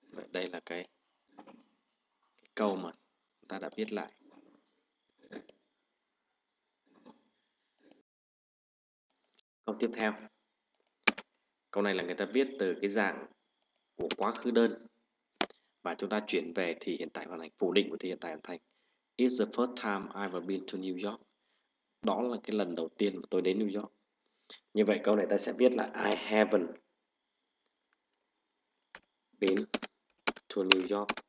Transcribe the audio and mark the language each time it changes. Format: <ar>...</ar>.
<vi>Đây là cái câu mà ta đã viết lại. Câu tiếp theo. Câu này là người ta viết từ cái dạng của quá khứ đơn và chúng ta chuyển về thì hiện tại hoàn thành, phủ định của thì hiện tại hoàn thành.</vi> <en>It's the first time I've been to New York.</en> <vi>Đó là cái lần đầu tiên mà tôi đến New York. Như vậy câu này ta sẽ viết là</vi> <en>I haven't been to New York.</en>